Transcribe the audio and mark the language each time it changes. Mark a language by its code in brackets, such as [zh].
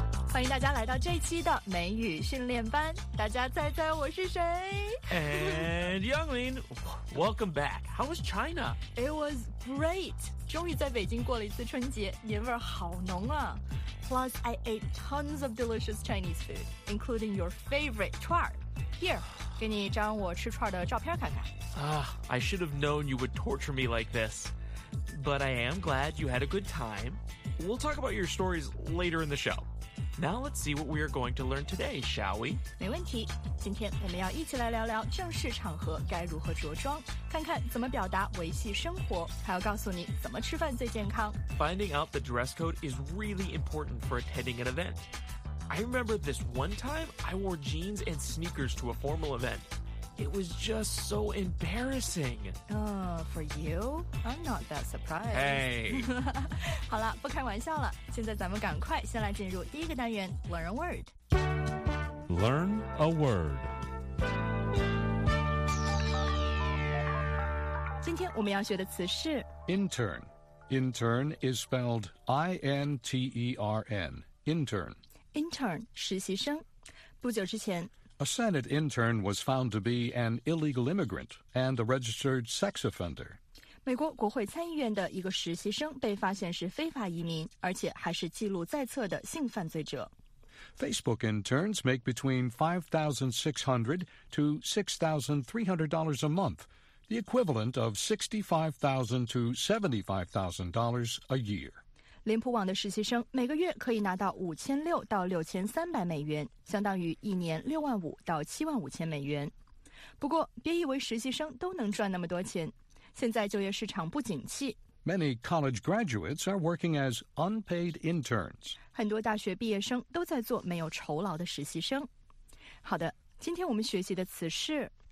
[zh] 欢迎大家来到这一期的美语训练班。大家猜猜我是谁 [en] ？And Yanglin, welcome back. How was China? It was great. [zh] 终于在北京过了一次春节，年味好浓啊。 [en] Plus, I ate tons of delicious Chinese food, including your favorite 串儿。 [zh] Here, 给你一张我吃串的照片看看。 [en] I should have known you would torture me like this. But I am glad you had a good time. We'll talk about your stories later in the show. Now let's see what we are going to learn today, shall we? [zh] 没问题。今天我们要一起来聊聊正式场合该如何着装，看看怎么表达维系生活，还要告诉你怎么吃饭最健康。 [en] Finding out the dress code is really important for attending an event. I remember this one time I wore jeans and sneakers to a formal event. It was just so embarrassing. For you? I'm not that surprised. Hey! [zh] 好了，不开玩笑了。现在咱们赶快先来进入第一个单元 [en] Learn a Word. Learn a Word. [zh] 今天我们要学的词是 [en] Intern. Intern is spelled I-N-T-E-R-N. Intern. [zh] Intern, 实习生。不久之前 [en] A Senate intern was found to be an illegal immigrant and a registered sex offender. [zh] 美国国会参议院的一个实习生被发现是非法移民，而且还是记录在册的性犯罪者。 [en] Facebook interns make between $5,600 to $6,300 a month, the equivalent of $65,000 to $75,000 a year. [zh] 脸谱网的实习生每个月可以拿到5600到6300美元，相当于一年65000到75000美元。不过，别以为实习生都能赚那么多钱。现在就业市场不景气。 [en] Many college graduates are working as unpaid interns. [zh] 很多大学毕业生都在做没有酬劳的实习生。好的，今天我们学习的词是